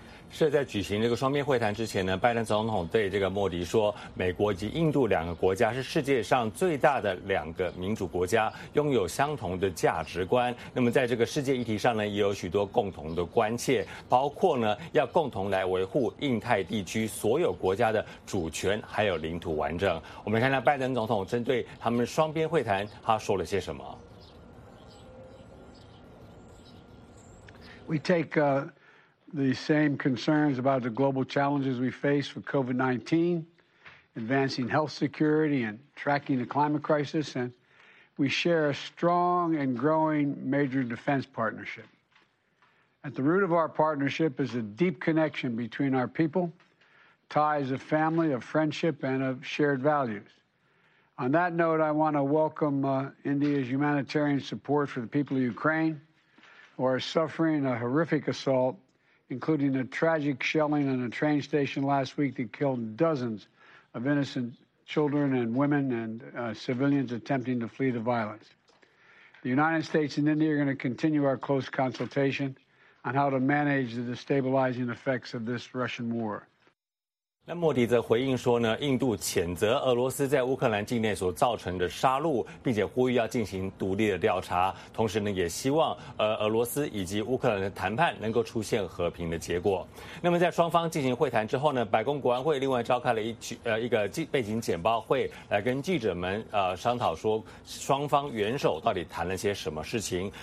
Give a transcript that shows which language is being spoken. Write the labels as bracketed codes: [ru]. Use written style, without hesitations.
[zh] 是在举行这个双边会谈之前呢，拜登总统对这个莫迪说，美国以及印度两个国家是世界上最大的两个民主国家，拥有相同的价值观，那么在这个世界议题上呢，也有许多共同的关切，包括呢要共同来维护印太地区所有国家的主权还有领土完整。我们看到拜登总统针对他们双边会谈他说了些什么。 [en] We take the same concerns about the global challenges we face with COVID-19, advancing health security and tracking the climate crisis, and we share a strong and growing major defense partnership. At the root of our partnership is a deep connection between our people, ties of family, of friendship, and of shared values. On that note, I want to welcome India's humanitarian support for the people of Ukraine. who are suffering a horrific assault, including a tragic shelling in a train station last week that killed dozens of innocent children and women and civilians attempting to flee the violence. The United States and India are going to continue our close consultation on how to manage the destabilizing effects of this Russian war. [zh] 那莫迪则回应说呢，印度谴责俄罗斯在乌克兰境内所造成的杀戮，并且呼吁要进行独立的调查，同时呢也希望俄罗斯以及乌克兰的谈判能够出现和平的结果。那么在双方进行会谈之后呢，白宫国安会另外召开了一个背景简报会，来跟记者们商讨说双方元首到底谈了些什么事情。